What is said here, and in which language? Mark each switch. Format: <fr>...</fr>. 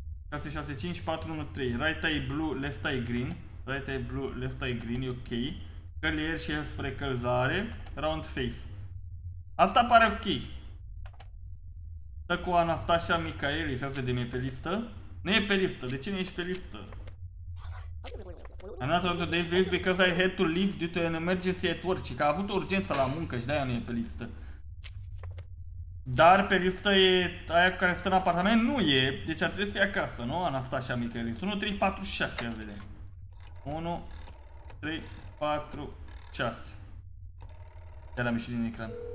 <en>665413. Right eye blue, left eye green. Right eye blue, left eye green,</en> <ro>e ok.</ro> <en>Curly hair și freckles are. Round face.</en> <ro>Asta pare ok. Stă cu Anastasia Michaelis. Asta de mie pe listă. Nu e pe listă, de ce nu ești pe listă?</ro> <en>I'm not on today's list because I had to leave due to an emergency at work.</en> <ro>Că a avut o urgență la muncă și de-aia nu e pe listă. Dar pe listă e aia care stă în apartament? Nu e, deci ar trebui să fie acasă, nu? Anastasia Michaelis. 1, 3, 4, 6, ia vedem. 1, 3, 4, 6. Iar am ieșit din ecran.</ro>